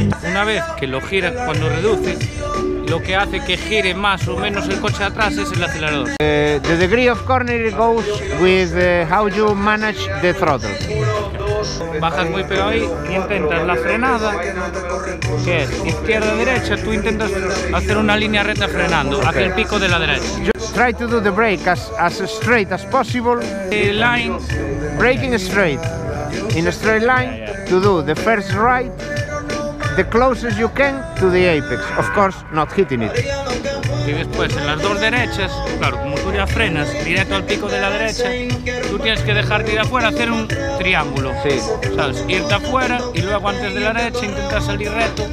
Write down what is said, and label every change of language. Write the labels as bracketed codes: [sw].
[es] Una vez que lo gira, cuando reduce, lo que hace que gire más o menos el coche atrás es el acelerador. [en] The degree of corner goes with how you manage the throttle. [es] Bajas muy pegado ahí y intentas la frenada, que es izquierda-derecha, tú intentas hacer una línea recta frenando hacia el pico de la derecha. [en] Try to do the brake as straight as possible. The line. Braking straight. In a straight line to do the first right. The closest you can to the apex, of course, not hitting it. [es] Y después en las dos derechas, claro, como tú ya frenas directo al pico de la derecha, tú tienes que dejarte ir afuera, hacer un triángulo. Sí. ¿Sabes? Irte afuera y luego antes de la derecha intentar salir recto